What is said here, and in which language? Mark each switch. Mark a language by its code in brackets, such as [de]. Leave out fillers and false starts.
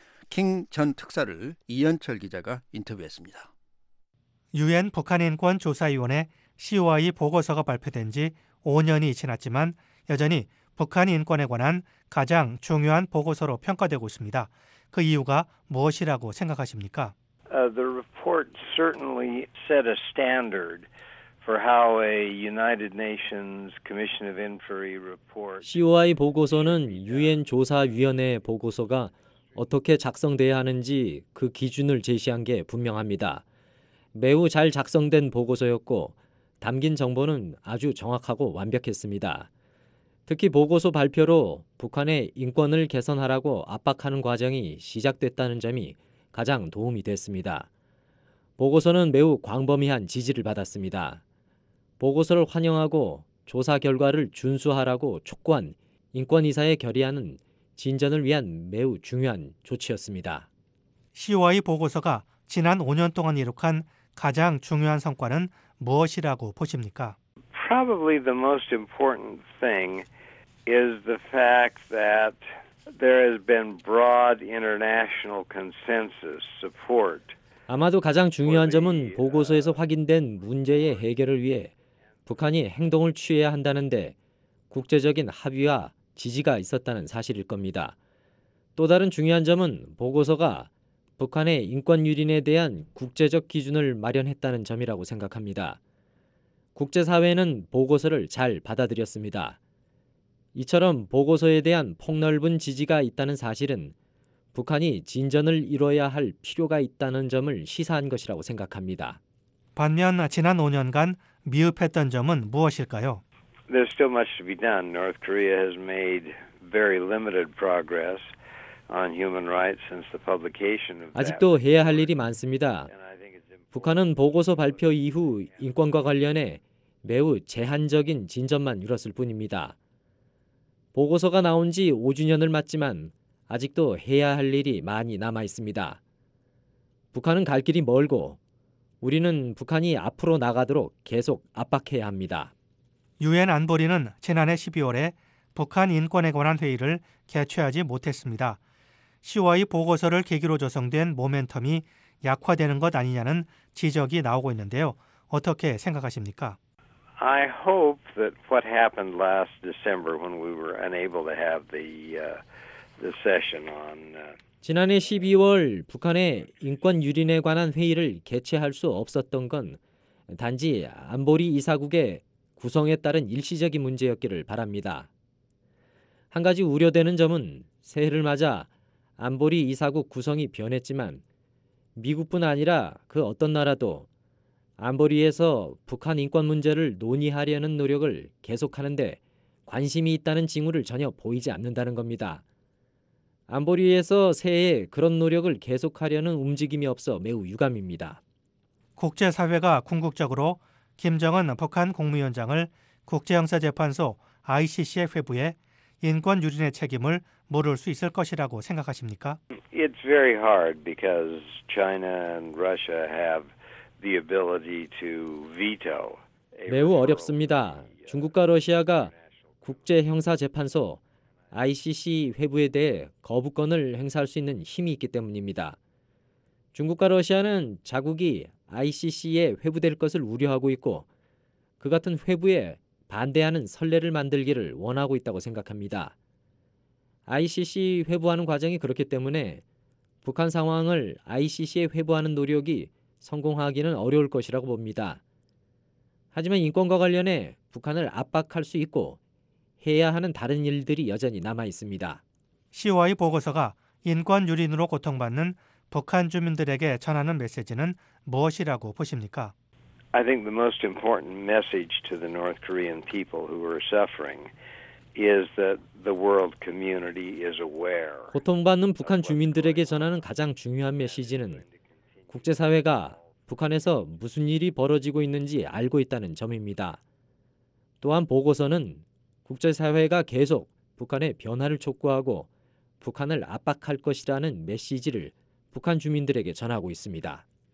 [ko] 킹 전 특사를 이현철 기자가 인터뷰했습니다. 유엔 북한인권조사위원회 COI 보고서가 발표된 지 5년이 지났지만 여전히 북한인권에 관한 가장 중요한 보고서로 평가되고 있습니다. 그 이유가 무엇이라고 생각하십니까? [en] The report certainly set a standard for how a United Nations Commission of Inquiry report. [ko] COI 보고서는 UN 조사위원회의 보고서가 어떻게 작성돼야 하는지 그 기준을 제시한 게 분명합니다. 매우 잘 작성된 보고서였고 담긴 정보는 아주 정확하고 완벽했습니다. 특히 보고서 발표로 북한의 인권을 개선하라고 압박하는 과정이 시작됐다는 점이 가장 도움이 됐습니다. 보고서는 매우 광범위한 지지를 받았습니다. 보고서를 환영하고 조사 결과를 준수하라고 촉구한 인권이사의 결의안은 진전을 위한 매우 중요한 조치였습니다. COI 보고서가 지난 5년 동안 이룩한 가장 중요한 성과는 무엇이라고 보십니까? [en] Probably the most important thing is the fact that there has been broad international consensus support. [ko] 아마도 가장 중요한 점은 보고서에서 확인된 문제의 해결을 위해 북한이 행동을 취해야 한다는 데 국제적인 합의와 지지가 있었다는 사실일 겁니다. 또 다른 중요한 점은 보고서가 북한의 인권 유린에 대한 국제적 기준을 마련했다는 점이라고 생각합니다. 국제사회는 보고서를 잘 받아들였습니다. 이처럼 보고서에 대한 폭넓은 지지가 있다는 사실은 북한이 진전을 이뤄야 할 필요가 있다는 점을 시사한 것이라고 생각합니다. 반면 지난 5년간 미흡했던 점은 무엇일까요? [en] There's still much to be done. North Korea has made very limited progress on human rights since the publication of that. [ko] 아직도 해야 할 일이 많습니다. 북한은 보고서 발표 이후 인권과 관련해 매우 제한적인 진전만 이뤘을 뿐입니다. 보고서가 나온 지 5주년을 맞지만 아직도 해야 할 일이 많이 남아 있습니다. 북한은 갈 길이 멀고 우리는 북한이 앞으로 나가도록 계속 압박해야 합니다. 유엔 안보리는 지난해 12월에 북한 인권에 관한 회의를 개최하지 못했습니다. COI 보고서를 계기로 조성된 모멘텀이 약화되는 것 아니냐는 지적이 나오고 있는데요. 어떻게 생각하십니까? [en] I hope that what happened last December when we were unable to have the session on [ko] 지난해 12월 북한의 인권 유린에 관한 회의를 개최할 수 없었던 건 단지 안보리 이사국의 구성에 따른 일시적인 문제였기를 바랍니다. 한 가지 우려되는 점은 새해를 맞아 안보리 이사국 구성이 변했지만 미국뿐 아니라 그 어떤 나라도 안보리에서 북한 인권 문제를 논의하려는 노력을 계속하는데 관심이 있다는 징후를 전혀 보이지 않는다는 겁니다. 안보리에서 새해 그런 노력을 계속하려는 움직임이 없어 매우 유감입니다. 국제사회가 궁극적으로 김정은 북한 국무위원장을 국제형사재판소 ICC에 회부해 인권 유린의 책임을 물을 수 있을 것이라고 생각하십니까? [en] It's very hard because China and Russia have the ability to veto. [ko] 매우 어렵습니다. 중국과 러시아가 국제형사재판소 ICC 회부에 대해 거부권을 행사할 수 있는 힘이 있기 때문입니다. 중국과 러시아는 자국이 ICC에 회부될 것을 우려하고 있고 그 같은 회부에 반대하는 선례를 만들기를 원하고 있다고 생각합니다. ICC 회부하는 과정이 그렇기 때문에 북한 상황을 ICC에 회부하는 노력이 성공하기는 어려울 것이라고 봅니다. 하지만 인권과 관련해 북한을 압박할 수 있고 해야 하는 다른 일들이 여전히 남아 있습니다. COI 보고서가 인권 유린으로 고통받는 북한 주민들에게 전하는 메시지는 무엇이라고 보십니까? [en] I think the most important message to the North Korean people who are suffering is that the world community is aware. [ko] 고통받는 북한 주민들에게 전하는 가장 중요한 메시지는 국제사회가 북한에서 무슨 일이 벌어지고 있는지 알고 있다는 점입니다. 또한 보고서는 국제사회가 계속 북한의 변화를 촉구하고 북한을 압박할 것이라는 메시지를 북한 주민들에게 전하고 있습니다.